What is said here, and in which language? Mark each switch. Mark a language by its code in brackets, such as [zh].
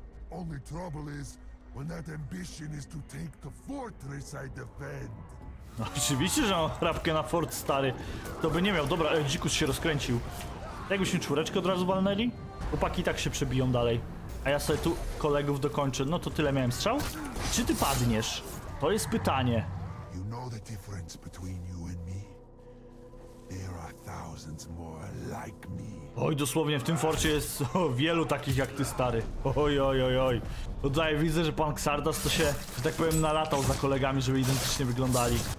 [en] Only trouble is when that ambition is to take the fortress I defend. [pl] No oczywiście, że mam chrapkę na fort, stary. To by nie miał. Dobra, dzikus się rozkręcił. Jakbyśmy czwóreczkę od razu walnęli? Chłopaki i tak się przebiją dalej. A ja sobie tu kolegów dokończę. No to tyle miałem strzał. Czy ty padniesz? To jest pytanie. [en] You know the difference between you and me? There are thousands more like me. [pl] Oj, dosłownie, w tym forcie jest wielu takich jak ty, stary. Oj, oj, oj, oj. Tutaj widzę, że pan Ksardas to się, że tak powiem, nalatał za kolegami, żeby identycznie wyglądali.